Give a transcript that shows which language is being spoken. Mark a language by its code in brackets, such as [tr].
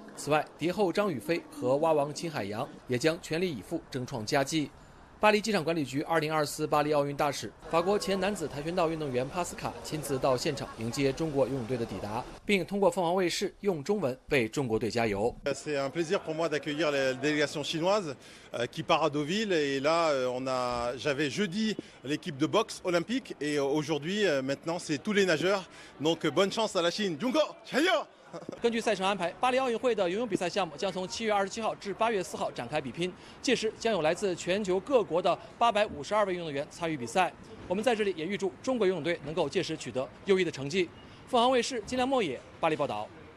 [zh] 此外，蝶后张雨霏和蛙王秦海洋也将全力以赴争创佳绩。巴黎机场管理局2024巴黎奥运大使、法国前男子跆拳道运动员帕斯卡亲自到现场迎接中国游泳队的抵达，并通过凤凰卫视用中文为中国队加油。 [fr] C'est un plaisir pour moi d'accueillir la délégation chinoise qui part à Deauville et là on a j'avais jeudi l'équipe de boxe olympique et aujourd'hui maintenant c'est tous les nageurs donc bonne chance à la Chine, [zh] 中国加油！根据赛程安排，巴黎奥运会的游泳比赛项目将从7月27号至8月4号展开比拼，届时将有来自全球各国的852位运动员参与比赛。我们在这里也预祝中国游泳队能够届时取得优异的成绩。凤凰卫视金良墨野巴黎报道。